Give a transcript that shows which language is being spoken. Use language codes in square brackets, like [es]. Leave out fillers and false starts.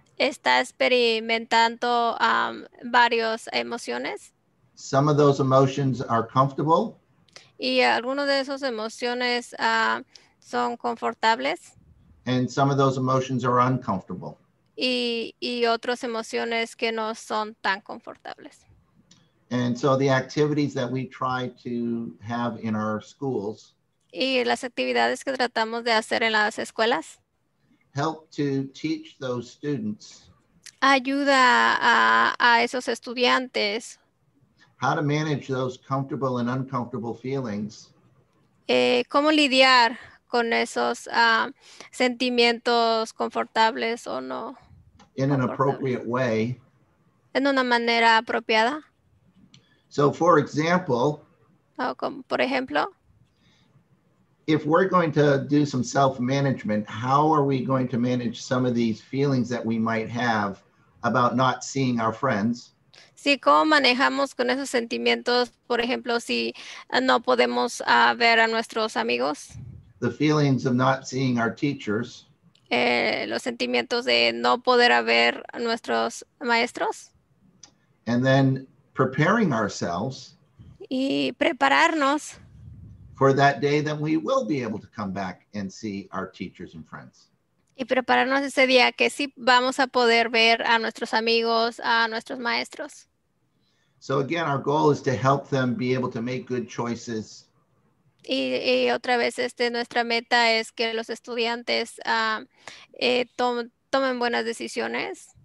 [es] Está experimentando varias emociones. [en] Some of those emotions are comfortable. [es] Y algunas de esas emociones son confortables. [en] And some of those emotions are uncomfortable. [es] Y otras emociones que no son tan confortables. [en] And so the activities that we try to have in our schools. [es] Y las actividades que tratamos de hacer en las escuelas. [en] Help to teach those students. [es] Ayuda a esos estudiantes. [en] How to manage those comfortable and uncomfortable feelings. [es] ¿Cómo lidiar con esos sentimientos confortables o no? [en] In an appropriate way. [es] En una manera apropiada. [en] So, for example. [es] Oh, como, por ejemplo. [en] If we're going to do some self-management, how are we going to manage some of these feelings that we might have about not seeing our friends? [es] Sí, ¿cómo manejamos con esos sentimientos, por ejemplo, si no podemos ver a nuestros amigos? [en] The feelings of not seeing our teachers. [es] Los sentimientos de no poder ver a nuestros maestros. [en] And then preparing ourselves. [es] Y prepararnos. [en] For that day that we will be able to come back and see our teachers and friends. [es] Y prepararnos ese día que sí vamos a poder ver a nuestros amigos, a nuestros maestros. [en] So again, our goal is to help them be able to make good choices. [es] Y otra vez, nuestra meta es que los estudiantes tomen buenas decisiones.